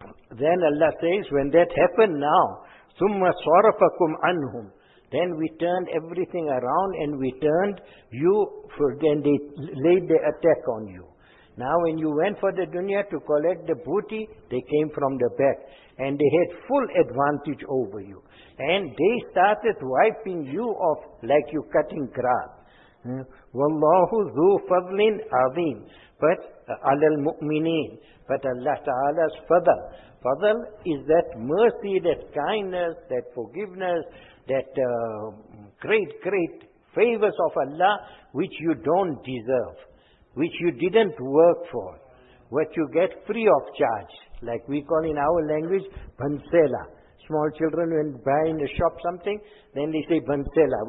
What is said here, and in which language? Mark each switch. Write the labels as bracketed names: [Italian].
[English] Then Allah says, when that happened now, [Arabic] ثُمَّ صَرَفَكُمْ عَنْهُمْ, [English] then we turned everything around and we turned you, for then they laid the attack on you. Now when you went for the dunya to collect the booty, they came from the back and they had full advantage over you. And they started wiping you off like you cutting grass. [Arabic] وَاللَّهُ ذُو فَضْلٍ عَظِيمٍ But عَلَى الْمُؤْمِنِينَ [English] But Allah Ta'ala's fadl. Fadl is that mercy, that kindness, that forgiveness, that great, great favors of Allah which you don't deserve, which you didn't work for, what you get free of charge. Like we call in our language, bansela. Small children, when buy in a shop something, then they say, bansela.